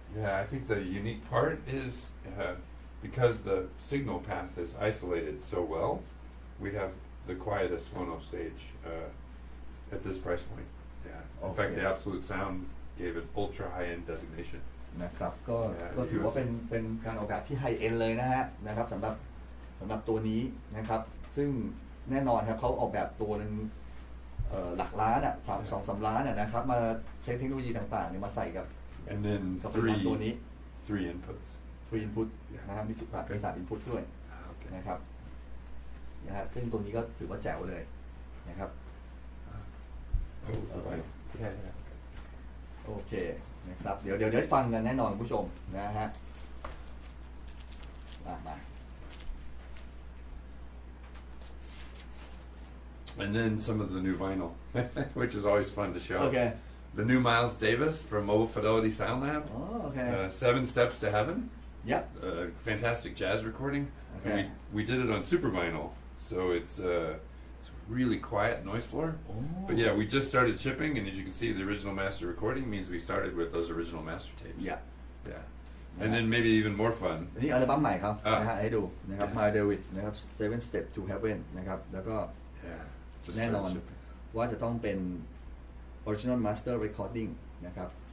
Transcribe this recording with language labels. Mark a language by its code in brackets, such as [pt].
[en] Yeah I think the unique part is because the signal path is isolated so well we have the quietest phono stage at this price point Yeah In fact the absolute sound gave it ultra high end designation [th] นะครับก็ถือว่าเป็นการออกแบบที่ไฮเอ็นเลยนะฮะนะครับสำหรับตัวนี้นะครับซึ่งแน่นอนครับเขาออกแบบตัวนึงหลักล้านอ่ะ2-3 ล้านอ่ะนะครับมาใช้เทคโนโลยีต่างๆมาใส่กับกับตัวนี้ [en] 3 inputs [th] นะครับมี10 ปากมี3 input ด้วยนะครับนะครับซึ่งตรงนี้ก็ถือว่าแจ๋วเลยนะครับโอเคนะครับเดี๋ยวฟังกันแน่นอนผู้ชมนะฮะมา [en] and then some of the new vinyl which is always fun to show. Okay. The new Miles Davis from Mobile Fidelity Sound Lab. Oh, okay. Seven Steps to Heaven. Yep. Fantastic jazz recording. Okay. And we did it on super vinyl, so it's really quiet noise floor. Oh. But yeah, we just started shipping, and as you can see, the original master recording means we started with those original master tapes. Yeah. Yeah. And yeah. Then maybe even more fun. [th] นี่อัลบั้มใหม่ครับนะฮะให้ดูนะครับ Miles Davis นะครับ Seven Steps to Heaven นะครับแล้วก็แน่นอนว่าจะต้องเป็น original master recording นะครับ